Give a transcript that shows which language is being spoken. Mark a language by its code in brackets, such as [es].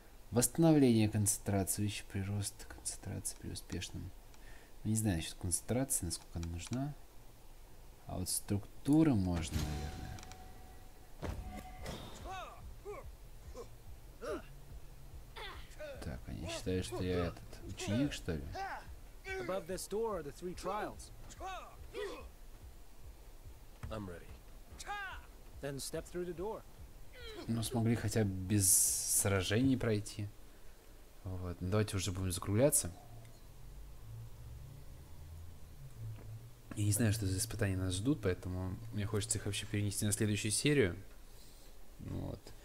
[ru] Восстановление концентрации, вещи прирост концентрации при успешном. Не знаю насчет концентрации, насколько она нужна. А вот структура можно, наверное. Так, они считают, что я этот ученик, что ли? [en] Above this door are the three trials. I'm ready. Then step through the door. [ru] Ну, смогли хотя бы без сражений пройти. Вот. Давайте уже будем закругляться. Я не знаю, что за испытания нас ждут, поэтому мне хочется их вообще перенести на следующую серию. Вот.